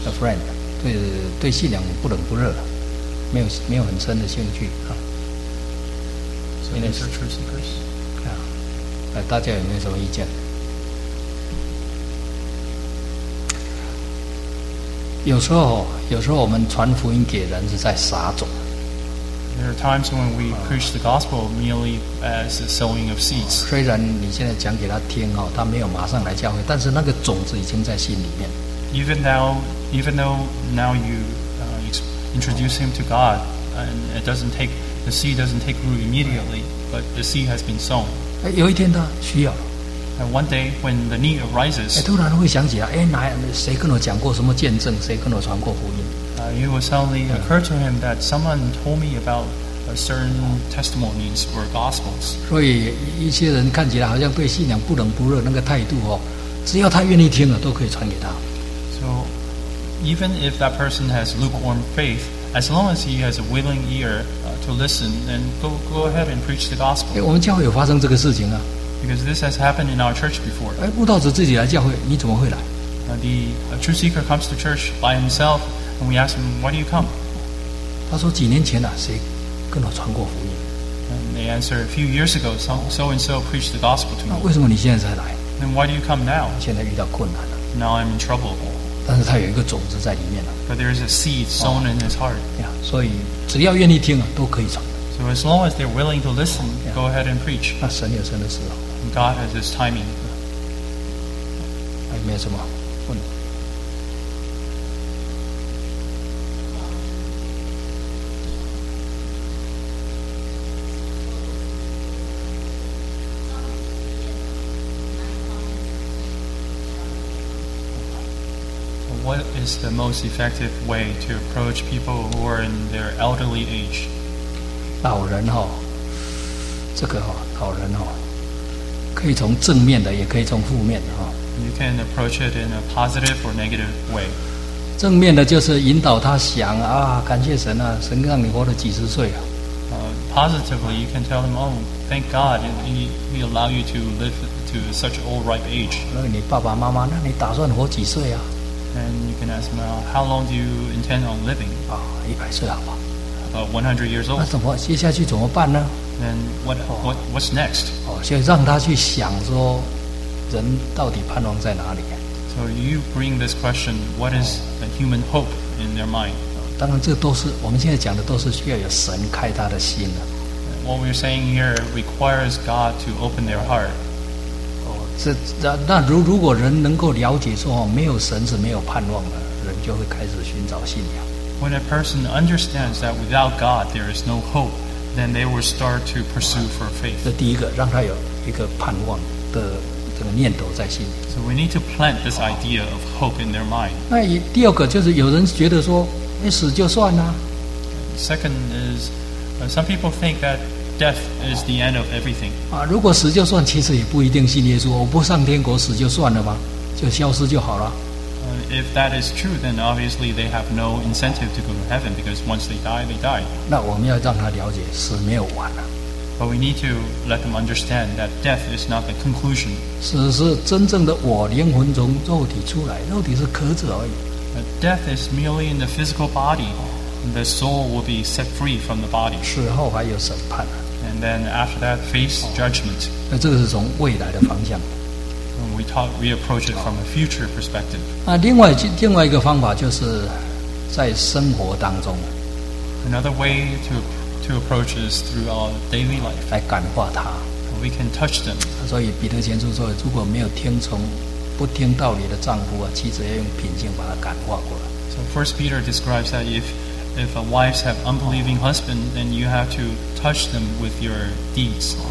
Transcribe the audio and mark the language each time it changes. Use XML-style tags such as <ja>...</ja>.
<en>， a friend，</en> <zh>对信仰不冷不热，没有很深的兴趣啊。</zh> <en>So these are true seekers。</en> <zh>大家有没有什么意见？有时候我们传福音给人是在撒种。</zh> <en>There are times when we preach the gospel merely as a sowing of seeds.</en> <zh>虽然你现在讲给他听哦，他没有马上来教会，但是那个种子已经在心里面。</zh> <en>Even though now you introduce him to God, and the seed doesn't take root immediately, but the seed has been sown.</en> <zh>有一天他需要</zh> <en>And one day when the need arises</en> <zh>突然会想起来谁跟我讲过什么见证谁跟我传过福音</zh> <en>It will suddenly occur to him that someone told me about certain testimonies or gospels</en> <zh>所以一些人看起来好像对信仰不冷不热那个态度只要他愿意听了都可以传给他</zh> <en>So even if that person has lukewarm faithAs long as he has a willing ear to listen, then go ahead and preach the gospel.</en> <zh>我们教会有发生这个事情啊。</zh> <en>Because this has happened in our church before.</en> <zh>慕道者自己来教会，你怎么会来？</zh> <en>The true seeker comes to church by himself, and we ask him, "Why do you come?"</en> <zh>他说几年前谁跟我传过福音？</zh> <en>And they answer, "A few years ago, so and so preached the gospel to me."</en> <zh>那为什么你现在才来？</zh> <en>Then why do you come now?</en> <zh>现在遇到困难了。</zh> <en>Now I'm in trouble.</en> <zh>但是他有一个种子在里面了。</zh> <en>But there is a seed sown in his heart.</en> <zh>Yeah, 所以只要愿意听都可以传。</zh> <en>So as long as they're willing to listen, go ahead and preach.</en> <zh>那神有神的时候。</zh> <en>And God has his timing.</en> <zh>还有没有什么问题？</zh> <en>what is the most effective way to approach people who are in their elderly age?</en> <zh>老人哦，这个哦，老人哦，可以从正面的，也可以从负面的哦。</zh> <en>You can approach it in a positive or negative way.</en> <zh>正面的就是引导他想啊，感谢神啊，神让你活了几十岁啊。</zh> <en>Positively, you can tell him, oh, thank God, he allow you to live to such old ripe age.</en> <zh>那你爸爸妈妈，那你打算活几岁啊？</zh> <en>And you can ask him, how long do you intend on living?</en> <zh>啊，一百岁好不好？</zh> <en>About 100 years old.</en> <zh>那怎么接下去怎么办呢？</zh> <en>Then what's next?</en> <zh>哦，所以让他去想说，人到底盼望在哪里？</zh> <en>So you bring this question, what is a human hope in their mind?</en> <zh>当然，这都是我们现在讲的，都是需要有神开他的心的。</zh> <en>What we're saying here requires God to open their heart.</en> <zh>哦，这那如果人能够了解说，没有神是没有盼望的，人就会开始寻找信仰。</zh> <en>When a person understands that without God there is no hope, then they will start to pursue for faith.</en> <zh>这第一个，让他有一个盼望的这个念头在心里。</zh> <en>So we need to plant this idea of hope in their mind.</en> <zh>那第二个就是有人觉得说。死就算啦。</zh> <en>Second is, some people think that death is the end of everything.</en> <zh>啊，如果死就算，其实也不一定信耶稣。我不上天国，死就算了吧，就消失就好了。</zh> <en>If that is true, then obviously they have no incentive to go to heaven because once they die, they die.</en> <zh>那我们要让他了解，死没有完了。</zh> <en>But we need to let them understand that death is not the conclusion.</en> <zh>死是真正的我灵魂从肉体出来，肉体是壳子而已。</zh> <en>Death is merely in the physical body. The soul will be set free from the body.</en> <zh>死后还有审判。</zh> <en>And then after that, face judgment.</en> <zh>那这个是从未来的方向。</zh> <en>We approach it from a future perspective.</en> <zh>那另外一个方法就是在生活当中。</zh> <en>Another way to approach is through our daily life.</en> <zh>来感化他。</zh> <en>We can touch them.</en> <zh>所以彼得前书说，如果没有听从。不听道理的丈夫啊，妻子要用品性把他感化过来。</zh> <en>So First Peter describes that if a wives have unbelieving husband, then you have to touch them with your deeds.</en>